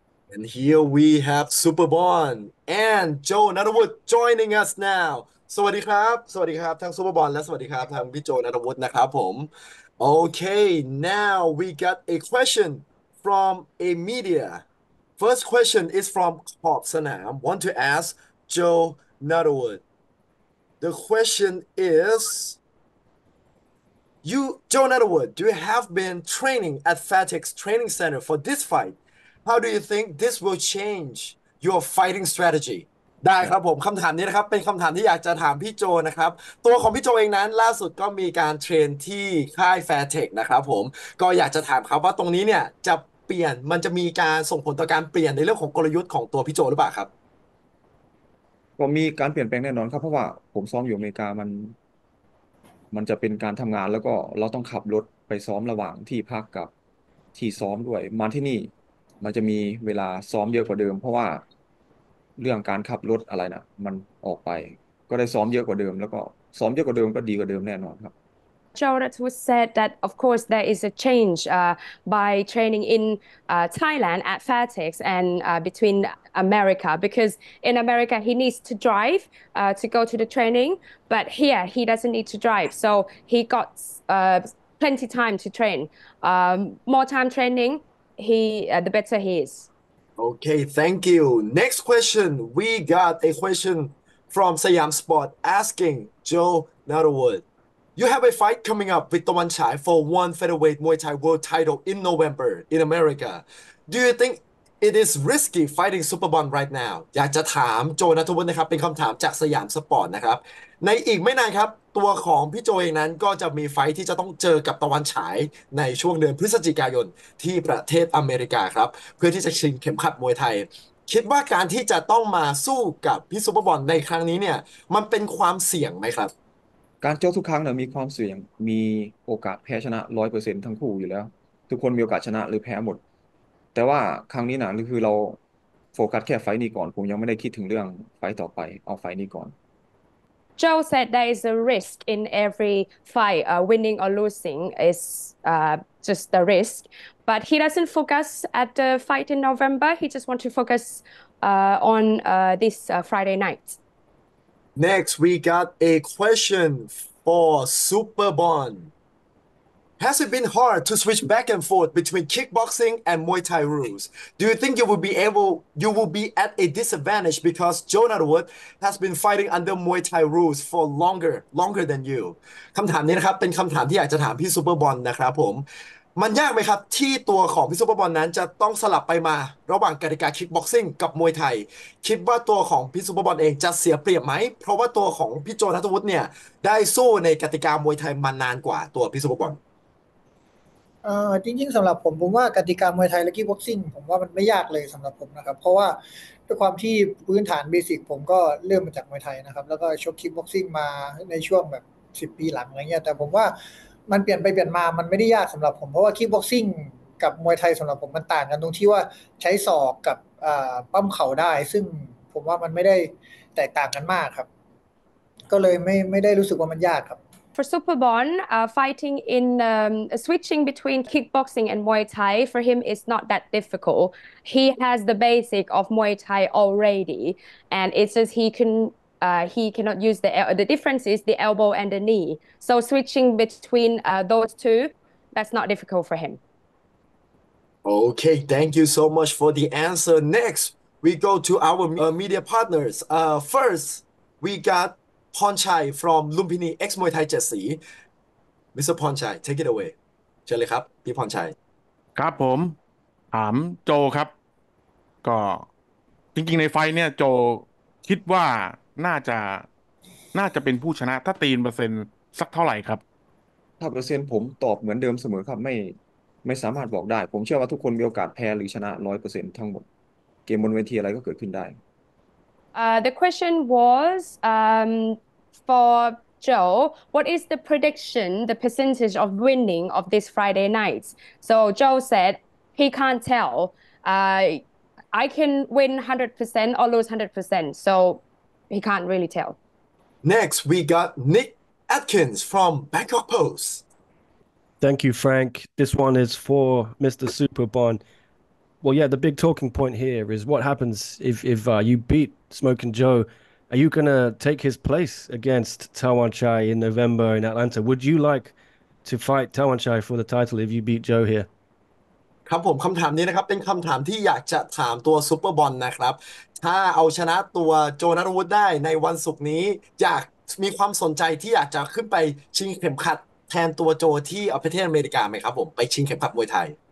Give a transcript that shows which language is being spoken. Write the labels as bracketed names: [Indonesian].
[English] And here we have Superbon and Joe Nutterwood joining us now. [Thai] สวัสดีครับสวัสดีครับทางซูเปอร์บอลและสวัสดีครับทางพี่โจนัทวุฒินะครับผมโอเค [English] now we got a question from a media. First question is from ขอบสนาม want to ask Joe Nutterwood. The question is you Joe Nutterwood, do you have been training at FedEx Training Center for this fight? How do you think this will change your fighting strategy? [Thai] ได้ครับผมคำถามนี้นะครับเป็นคำถามที่อยากจะถามพี่โจนะครับตัวของพี่โจเองนั้นล่าสุดก็มีการเทรนที่ค่ายแฟร์เทคนะครับผมก็อยากจะถามครับว่าตรงนี้เนี่ยจะเปลี่ยนมันจะมีการส่งผลต่อการเปลี่ยนในเรื่องของกลยุทธ์ของตัวพี่โจหรือเปล่าครับ ก็มีการเปลี่ยนแปลงแน่นอนครับเพราะว่าผมซ้อมอยู่อเมริกามันจะเป็นการทํางานแล้วก็เราต้องขับรถไปซ้อมระหว่างที่พักกับที่ซ้อมด้วยมาที่นี่มันจะมีเวลาซ้อมเยอะกว่าเดิมเพราะว่าเรื่องการขับรถอะไรน่ะมันออกไปก็ได้ซ้อมเยอะกว่าเดิมแล้วก็ซ้อมเยอะกว่าเดิมก็ดีกว่าเดิมแน่นอนครับ [English] Joe Nutworth said that, of course, there is a change by training in Thailand at FedEx and between America, because in America he needs to drive to go to the training, but here he doesn't need to drive, so he got plenty time to train. More time training, the better he is. Okay, thank you. Next question. We got a question from Siam Sport asking Joe Nutterwood. You have a fight coming up with Toman Chai for one featherweight Muay Thai world title in November in America. Do you think it is risky fighting Superbon right now? [Thai] อยากจะถามโจนัทวุฒินะครับเป็นคำถามจากสยามสปอร์ตนะครับในอีกไม่นานครับตัวของพี่โจเองนั้นก็จะมีไฟท์ที่จะต้องเจอกับตะวันฉายในช่วงเดือนพฤศจิกายนที่ประเทศอเมริกาครับเพื่อที่จะชิงเข็มขัดมวยไทยคิดว่าการที่จะต้องมาสู้กับพี่ซูเปอร์บอลในครั้งนี้เนี่ยมันเป็นความเสี่ยงไหมครับ การโจ๊กทุกครั้งเนี่ยมีความเสี่ยงมีโอกาสแพ้ชนะ100%ทั้งคู่อยู่แล้วทุกคนมีโอกาสชนะหรือแพ้หมดแต่ว่าครั้งนี้นะคือเราโฟกัสแค่ไฟนี้ก่อนผมยังไม่ได้คิดถึงเรื่องไฟต่อไปเอาไฟนี้ก่อน [English] Joe said there is a risk in every fight. Winning or losing is just the risk. But he doesn't focus at the fight in November. He just wants to focus on this Friday night. Next, we got a question for Superbon. Has it been hard to switch back and forth between kickboxing and Muay Thai rules? Do you think you will be at a disadvantage because Joe Nutterwood has been fighting under Muay Thai rules for longer than you? [Thai] คำถามนี้นะครับเป็นคำถามที่อยากจะถามพี่ซูเปอร์บอนนะครับผมมันยากไหมครับที่ตัวของพี่ซูเปอร์บอนนั้นจะต้องสลับไปมาระหว่างกติกาคิกบ็อกซิ่งกับมวยไทยคิดว่าตัวของพี่ซูเปอร์บอนเองจะเสียเปรียบไหมเพราะว่าตัวของพี่โจนัทวุฒิเนี่ยได้สู้ในกติกามวยไทยมานานกว่าตัวพี่ซูเปอร์บอน จริงๆสำหรับผมว่ากติกามวยไทยและกิ๊กบ็อกซิ่งผมว่ามันไม่ยากเลยสำหรับผมนะครับเพราะว่าด้วยความที่พื้นฐานเบสิกผมก็เริ่มมาจากมวยไทยนะครับแล้วก็ชกคิกบ็อกซิ่งมาในช่วงแบบ10ปีหลังอะไรเงี้ยแต่ผมว่ามันเปลี่ยนไปเปลี่ยนมามันไม่ได้ยากสำหรับผมเพราะว่าคิกบ็อกซิ่งกับมวยไทยสำหรับผมมันต่างกันตรงที่ว่าใช้ศอกกับปั้มเข่าได้ซึ่งผมว่ามันไม่ได้แตกต่างกันมากครับก็เลยไม่ได้รู้สึกว่ามันยากครับ [English] For Superbon, fighting in switching between kickboxing and Muay Thai, for him is not that difficult. He has the basic of Muay Thai already, and it's just he cannot use the difference is the elbow and the knee. So switching between those two, that's not difficult for him. Okay, thank you so much for the answer. Next, we go to our media partners. First, we got. Ponchai from Lumpini X Muay Thai 7 สี Mr. [Thai] Ponchai [English] take it away [Thai] เชิญเลยครับพี่ Ponchai ครับผมถามโจครับก็จริงๆในไฟเนี่ยโจคิดว่าน่าจะเป็นผู้ชนะถ้าตีนเปอร์เซ็นต์สักเท่าไหร่ครับ ถ้าเปอร์เซ็นต์ผมตอบเหมือนเดิมเสมอครับไม่สามารถบอกได้ผมเชื่อว่าทุกคนมีโอกาสแพ้หรือชนะ100%ทั้งหมดเกมบนเวทีอะไรก็เกิดขึ้นได้ [English] The question was for Joe, what is the prediction, the percentage of winning of this Friday night? So Joe said he can't tell. I can win 100% or lose 100%, so he can't really tell. Next, we got Nick Atkins from Bangkok Post. Thank you, Frank. This one is for Mr. Superbon. Well, yeah, the big talking point here is what happens if you beat Smoking Joe? Are you gonna take his place against Taiwan Chai in November in Atlanta? Would you like to fight Taiwan Chai for the title if you beat Joe here? [Thai] ครับผมคำถามนี้นะครับเป็นคำถามที่อยากจะถามตัวซูเปอร์บอลนะครับถ้าเอาชนะตัวโจนาธวุฒิได้ในวันศุกร์นี้อยากมีความสนใจที่อยากจะขึ้นไปชิงเข็มขัดแทนตัวโจที่ประเทศอเมริกาไหมครับผมไปชิงเข็มขัดมวยไทย